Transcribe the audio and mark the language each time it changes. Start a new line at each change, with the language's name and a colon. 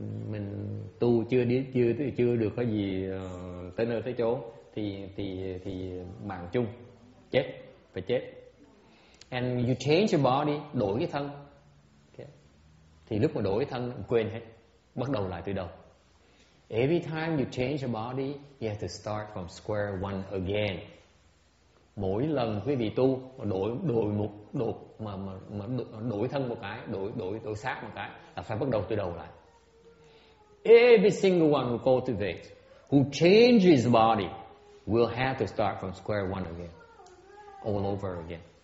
Vietnamese: Mình tu chưa được cái gì tới nơi tới chỗ thì mạng chung chết, phải chết.
English: And you change your body,
Vietnamese: đổi cái thân. Thì lúc mà đổi thân quên hết, bắt đầu lại từ đầu.
English: Every time you change your body, you have to start from square one again.
Vietnamese: Mỗi lần quý vị tu mà đổi thân một cái, đổi xác một cái là phải bắt đầu từ đầu lại.
English: Every single one who cultivates, who changes body, will have to start from square one again, all over again.